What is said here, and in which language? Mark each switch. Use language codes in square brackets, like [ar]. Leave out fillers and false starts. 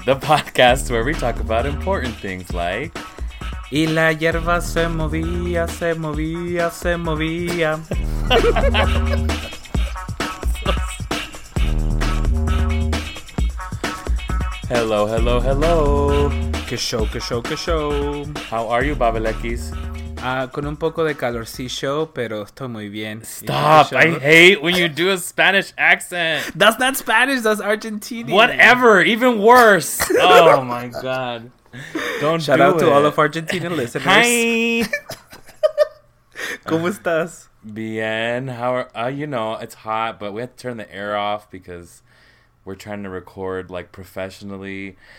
[en] the podcast where we talk about important things like... [es] Y la hierba se movía, se movía, se movía. [en] Hello, hello, hello. [es] Que show, que show, que show. [en] How are you, Babelekis? [es] Con un poco de calorcillo, pero estoy muy bien. [en] Stop. I hate when you do a Spanish accent. That's not Spanish, that's Argentinian. Whatever, even worse. Oh my God. Don't Shout do out it. To all of Argentinian listeners. Hi. [es] ¿Cómo estás? Bien. [en] How are, you know, it's hot, but we have to turn the air off because we're trying to record, like, professionally.